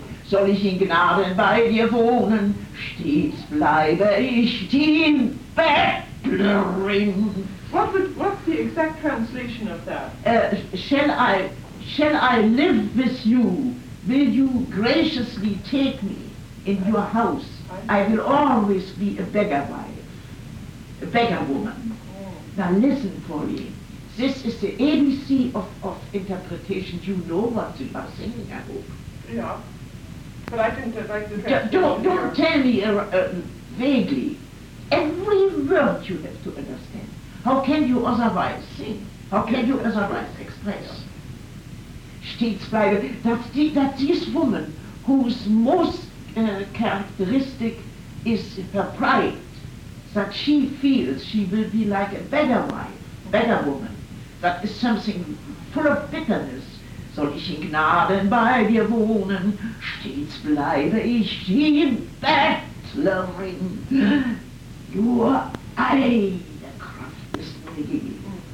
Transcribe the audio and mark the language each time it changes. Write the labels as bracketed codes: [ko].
[de] soll ich in Gnaden bei dir wohnen, stets bleibe ich dein Bettlerin. [en] What's the exact translation of that? Shall I live with you? Will you graciously take me in your house? I will always be a beggar wife, a beggar woman. Oh. Now listen, Pauline. This is the ABC of interpretation. You know what you are singing, I hope. Yeah. But I didn't like the Don't tell me vaguely. Every word you have to understand. How can you otherwise sing? How can you otherwise express? [de] Stets bleibe. [en] That this woman whose most characteristic is her pride, that she feels she will be like a better wife, better woman. That is something full of bitterness. [de] Soll ich in Gnaden bei dir wohnen, stets bleibe ich die Bettlerin. Your eine Kraft ist mir gegeben.